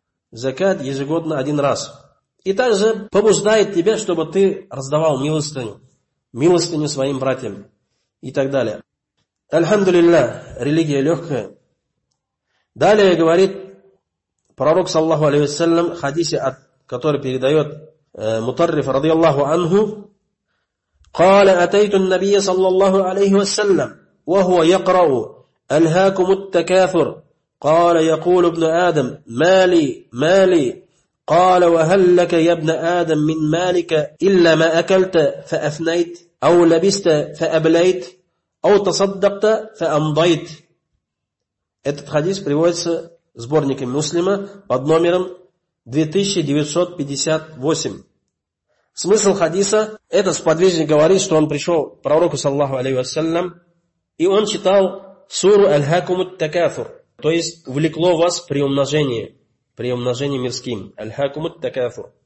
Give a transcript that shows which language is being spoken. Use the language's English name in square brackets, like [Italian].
[Russian] Закат ежегодно один раз. И также побуждает тебя, чтобы ты раздавал милостыню. Милостыню своим братьям. И так далее. Альхамдулилля, религия легкая. Далее говорит пророк, саллаху алейхи вассалям, хадисе, который передает Мутарриф, радиаллаху анху. [Arabic] قال أتيت النبي صلى الله عليه وسلم وهو يقرأ ألهاكم التكاثر قال يقول ابن آدم مالي مالي قال وهل لك يا ابن آدم من مالك إلا ما أكلت فأفنيت أو لبست فأبليت أو تصدقت فأمضيت. [Russian] Этот хадис приводится в сборнике Муслима под номером 2958. Смысл хадиса, этот сподвижник говорит, что он пришел к пророку, саллаху алейхи вассалям, и он читал суру «Аль-Хакуму Такафур», то есть «Увлекло вас приумножение», приумножение мирским, «Аль-Хакуму Такафур».